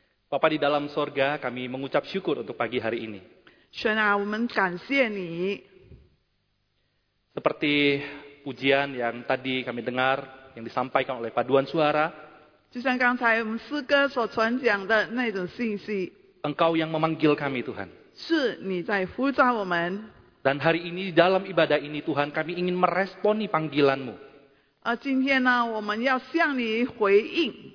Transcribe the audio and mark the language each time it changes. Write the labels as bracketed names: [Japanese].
[Indonesian] Bapa di dalam sorga, kami mengucap syukur untuk pagi hari ini. [Chinese] 神啊，我们感谢你。 [Indonesian] Seperti pujian yang tadi kami dengar. Yang disampaikan oleh paduan suara. [Chinese] 就像刚才我们诗歌所传讲的那种信息。 [Indonesian] Engkau yang memanggil kami Tuhan. [Chinese] 是你在呼召我们。 [Indonesian] Dan hari ini di dalam ibadah ini Tuhan kami ingin meresponi panggilanmu. [Chinese] 今天呢我们要向你回应。